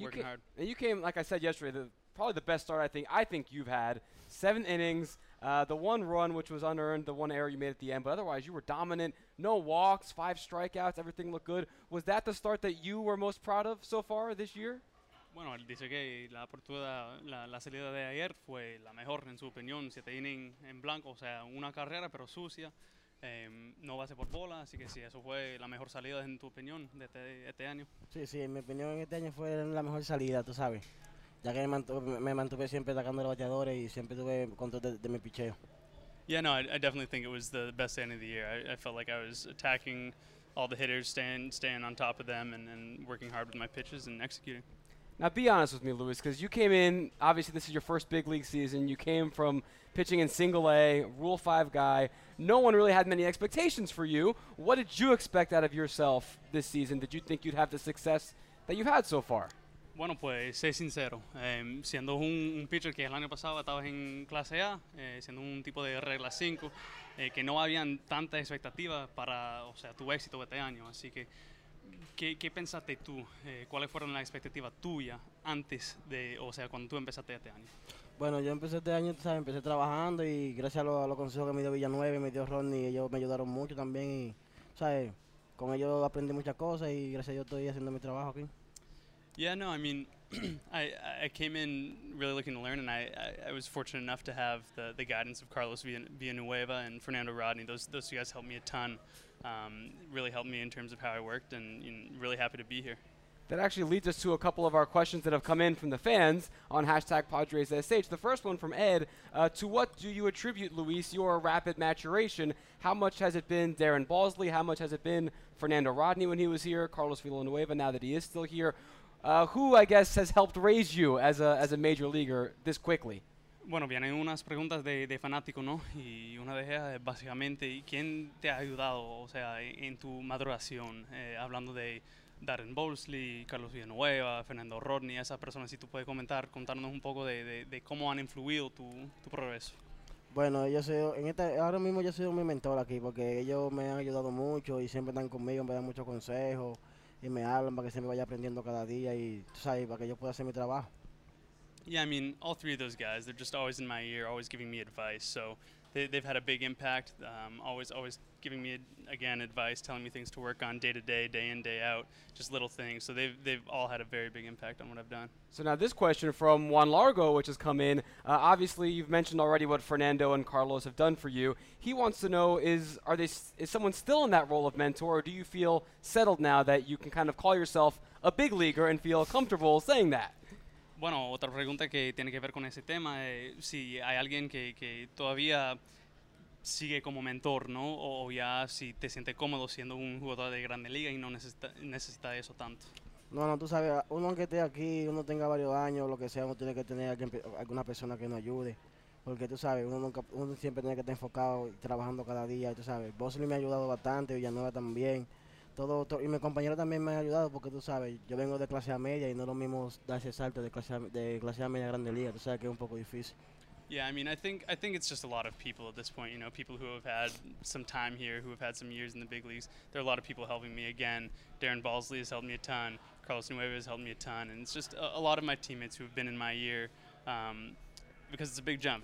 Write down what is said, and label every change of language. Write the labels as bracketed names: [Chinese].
[English] working hard. And you came, like I said yesterday, probably the best start I think you've had. Seven innings, the one run, which was unearned, the one error you made at the end. But otherwise, you were dominant. No walks, five strikeouts, everything looked good. Was that the start that you were most proud of so far this year? [Spanish] Bueno, él dice que la apertura, la salida de ayer fue la mejor, en su opinión. Siete innings en blanco, o sea, una carrera, pero sucia. No base por bola, así que sí, eso fue la mejor salida, en tu opinión, de este año. Sí, sí, en mi opinión, este año fue la mejor salida, tú sabes. Ya que me mantuve siempre atacando los bateadores y siempre tuve control de mi picheo. [English] Yeah, no, I definitely think it was the best end of the year. I felt like I was attacking all the hitters, staying on top of them and working hard with my pitches and executing. Now, be honest with me, Luis, because you came in, obviously this is your first big league season. You came from pitching in single A, Rule 5 guy. No one really had many expectations for you. What did you expect out of yourself this season? Did you think you'd have the success that you've had so far? [Spanish] Bueno, pues, sé sincero. Siendo un pitcher que el año pasado estaba en clase A, siendo un tipo de regla 5, que no habían tantas expectativas para, o sea, tu éxito este año. Así que, ¿qué pensaste tú? ¿Cuáles fueron las expectativas tuyas antes de, o sea, cuando tú empezaste este año? Bueno, yo empecé este año, ¿sabes? Empecé trabajando y gracias a los consejos que me dio Villanueva y me dio Ronnie, ellos me ayudaron mucho también y, ¿sabes? Con ellos aprendí muchas cosas y gracias a Dios estoy haciendo mi trabajo aquí. [English] Yeah, no, I mean, I came in really looking to learn, and I was fortunate enough to have the guidance of Carlos Villanueva and Fernando Rodney. Those two guys helped me a ton, really helped me in terms of how I worked, and really happy to be here. That actually leads us to a couple of our questions that have come in from the fans on hashtag PadresSH. The first one from Ed, to what do you attribute, Luis, your rapid maturation? How much has it been Darren Balsley? How much has it been Fernando Rodney when he was here? Carlos Villanueva, now that he is still here. Who, I guess, has helped raise you as a major leaguer this quickly? [Spanish] Bueno, vienen unas preguntas de fanático, ¿no? Y una de ellas es básicamente, ¿quién te ha ayudado, o sea, en tu maduración? Hablando de Darren Balsley, Carlos Villanueva, Fernando Rodney, esas personas, si tú puedes comentar, contarnos un poco de cómo han influido tu progreso. Bueno, yo soy, ahora mismo yo soy mi mentor aquí, porque ellos me han ayudado mucho y siempre están conmigo, me dan muchos consejos. Y me hablan para que se me vaya aprendiendo cada día y, ¿sabes? Para que yo pueda hacer mi trabajo. [English] Yeah, I mean, all three of those guys, they're just always in my ear, always giving me advice. So they've had a big impact, always giving me, again, advice, telling me things to work on day to day, day in, day out, just little things. So they've all had a very big impact on what I've done. So now this question from Juan Largo, which has come in. Obviously, you've mentioned already what Fernando and Carlos have done for you. He wants to know, is someone still in that role of mentor, or do you feel settled now that you can kind of call yourself a big leaguer and feel comfortable saying that? [Spanish] Bueno, otra pregunta que tiene que ver con ese tema es si hay alguien que todavía sigue como mentor, ¿no? O ya si te sientes cómodo siendo un jugador de grande liga y no necesita eso tanto. No, tú sabes, uno aunque esté aquí, uno tenga varios años, lo que sea, uno tiene que tener alguna persona que nos ayude. Porque tú sabes, uno siempre tiene que estar enfocado y trabajando cada día, tú sabes. Bosley me ha ayudado bastante, Villanueva también. Todo, y mi compañero también me ha ayudado porque tú sabes, yo vengo de clase media y no lo mismo dar ese salto de clase media a grande liga, tú sabes que es un poco difícil. [English] Yeah, I mean, I think it's just a lot of people at this point, you know, people who have had some time here, who have had some years in the big leagues. There are a lot of people helping me again. Darren Balsley has helped me a ton. Carlos Nueva has helped me a ton. And it's just a lot of my teammates who have been in my year because it's a big jump.